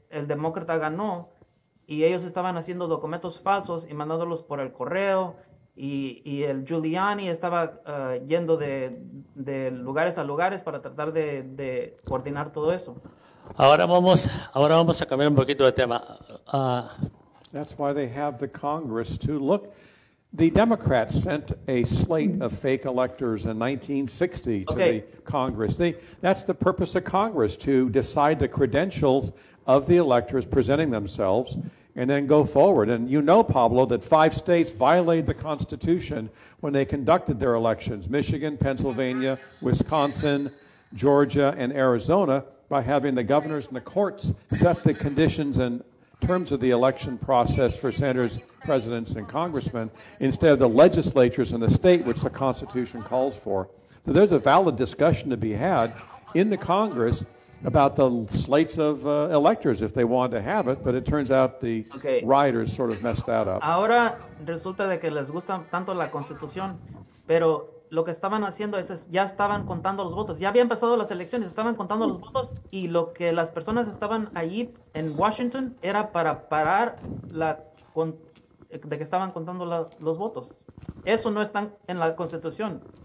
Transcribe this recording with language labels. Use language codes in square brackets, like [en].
[es] el demócrata ganó y ellos estaban haciendo documentos falsos y mandándolos por el correo y el Giuliani estaba yendo de lugares a lugares para tratar de coordinar todo eso. Ahora vamos a cambiar un poquito de tema. [en] That's why they have the Congress to look. The Democrats sent a slate of fake electors in 1960 to the Congress. That's the purpose of Congress, to decide the credentials of the electors presenting themselves and then go forward. And you know, Pablo, that 5 states violated the Constitution when they conducted their elections: Michigan, Pennsylvania, Wisconsin, Georgia, and Arizona, by having the governors and the courts set the conditions and terms of the election process for senators, presidents, and congressmen, instead of the legislatures in the state, which the Constitution calls for. So there's a valid discussion to be had in the Congress about the slates of electors, if they wanted to have it, but it turns out the rioters sort of messed that up. [es] Ahora resulta de que les gusta tanto la Constitución, pero lo que estaban haciendo es ya estaban contando los votos. Ya habían pasado las elecciones, estaban contando los votos, y lo que las personas estaban allí en Washington era para parar de que estaban contando los votos. Eso no está en la Constitución.